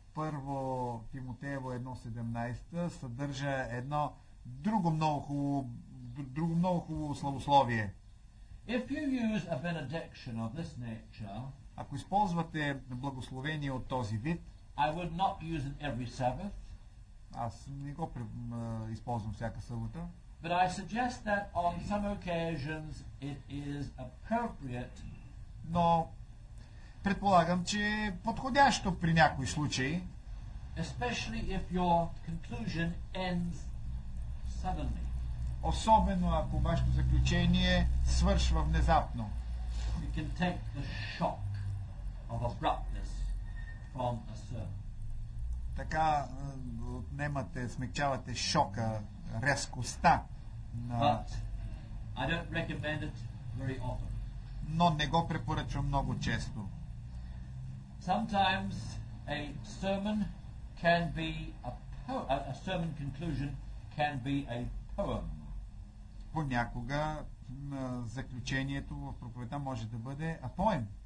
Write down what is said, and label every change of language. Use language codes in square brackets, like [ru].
[bg] Първо Тимотеево 1:17 съдържа едно друго много хубаво славословие. [en] If you use a benediction of this nature, [bg] ако използвате благословение от този вид, [en] I would not use it every Sabbath. [bg] Аз не го използвам всяка събота. [en] But I suggest that on some occasions it is appropriate. [bg] Но предполагам, че е подходящо при някои случаи. [en] Especially if your conclusion ends suddenly. [bg] Особено ако вашето заключение свършва внезапно. [en] You can take the shock of abruptness from a sermon. [bg] Така отнемате, смягчавате шока, резкостта на... [en] But I don't recommend it very often. [bg] Но не го препоръчвам много често. [en] Sometimes a sermon can be a sermon conclusion can be a poem. [bg] Понякога заключението в проповедта може да бъде [en] a poem.